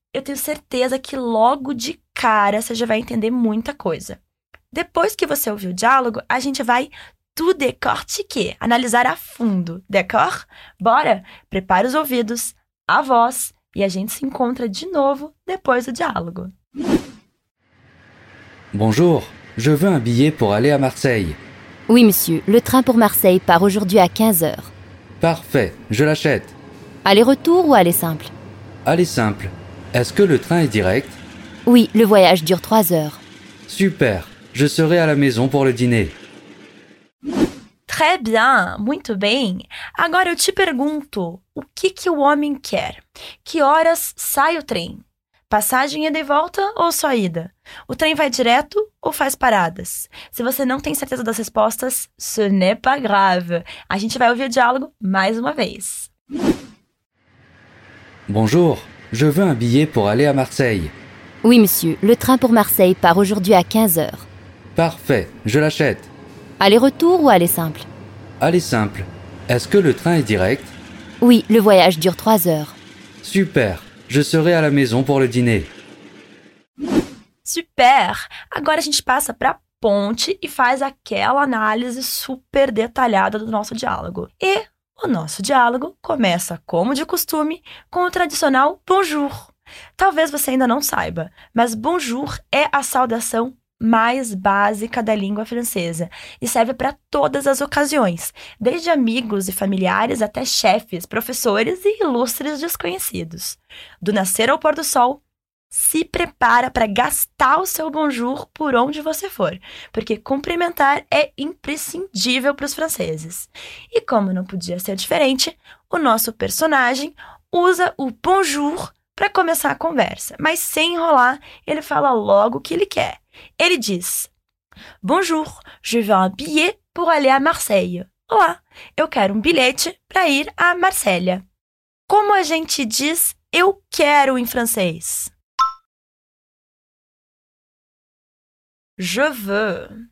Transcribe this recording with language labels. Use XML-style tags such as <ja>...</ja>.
<pt>Eu tenho certeza que logo de cara você já vai entender muita coisa. Depois que você ouvir o diálogo, a gente vai</pt> <fr>tout décortiquer,</fr> <pt>analisar a fundo,</pt> <fr>d'accord?</fr> <pt>Bora! Prepare os ouvidos, a voz e a gente se encontra de novo depois do diálogo.</pt> <fr>Bonjour, je veux un billet pour aller à Marseille. Oui, monsieur, le train pour Marseille part aujourd'hui à 15h. Parfait, je l'achète. Aller-retour ou aller simple? Aller simple. Est-ce que le train est direct? Oui, le voyage dure 3h. Super! Je serai à la maison pour le dîner. Très bien,</fr> <pt>muito bem. Agora eu te pergunto, o que que o homem quer? Que horas sai o trem? Passagem ida e volta ou só ida? O trem vai direto ou faz paradas? Se você não tem certeza das respostas,</pt> <fr>ce n'est pas grave.</fr> <pt>A gente vai ouvir o diálogo mais uma vez.</pt> <fr>Bonjour, je veux un billet pour aller à Marseille. Oui, monsieur, le train pour Marseille part aujourd'hui à 15h. Parfait, je l'achète. Aller-retour ou aller simple? Aller simple. Est-ce que le train est direct? Oui, le voyage dure 3h. Super, je serai à la maison pour le dîner. Super!</fr> <pt>Agora a gente passa para a ponte e faz aquela análise super detalhada do nosso diálogo. E o nosso diálogo começa, como de costume, com o tradicional bonjour. Talvez você ainda não saiba, mas bonjour é a saudação mais básica da língua francesa e serve para todas as ocasiões, desde amigos e familiares até chefes, professores e ilustres desconhecidos. Do nascer ao pôr do sol, se prepara para gastar o seu bonjour por onde você for, porque cumprimentar é imprescindível para os franceses. E como não podia ser diferente, o nosso personagem usa o bonjour para começar a conversa, mas sem enrolar, ele fala logo o que ele quer. Ele diz,</pt> <fr>bonjour, je veux un billet pour aller à Marseille.</fr> <pt>Olá, eu quero um bilhete para ir à Marselha. Como a gente diz eu quero em francês?</pt> <fr>Je veux.</fr>